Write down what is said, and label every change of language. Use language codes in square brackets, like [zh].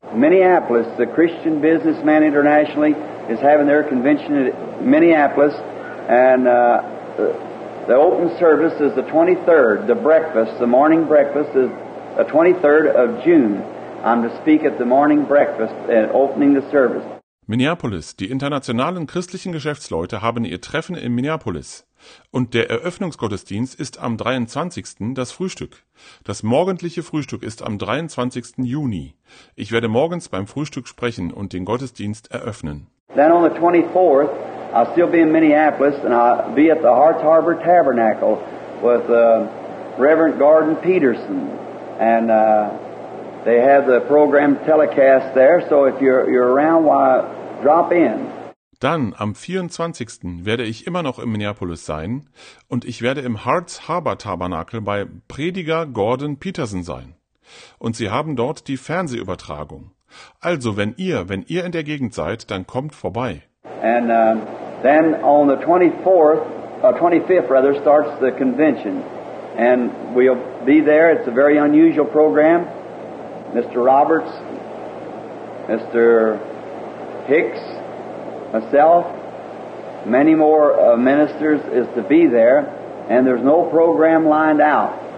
[en] Minneapolis, the Christian businessman internationally, is having their convention in Minneapolis, and The open service is the 23rd. The breakfast, the morning breakfast, is the 23rd of June. I'm to speak at the morning breakfast and opening the service. [de] Minneapolis, die internationalen christlichen Geschäftsleute haben ihr Treffen in Minneapolis. Und der Eröffnungsgottesdienst ist am 23. das Frühstück. Das morgendliche Frühstück ist am 23. Juni. Ich werde morgens beim Frühstück sprechen und den Gottesdienst eröffnen. [en] Then on the 24th, I'll still be in Minneapolis and I'll be at the Hearts Harbor Tabernacle with Reverend Gordon Peterson. And they have the program telecast there, so if you're around, why drop in. [de] Dann, am 24. werde ich immer noch in Minneapolis sein und ich werde im Hearts Harbor Tabernacle bei Prediger Gordon Peterson sein. Und sie haben dort die Fernsehübertragung. Also, wenn ihr in der Gegend seid, dann kommt vorbei. [en] And then on the 25th starts the convention. And we'll be there. It's a very unusual program. Mr. Roberts, Mr. Hicks, myself, many more ministers is to be there, and there's no program lined out.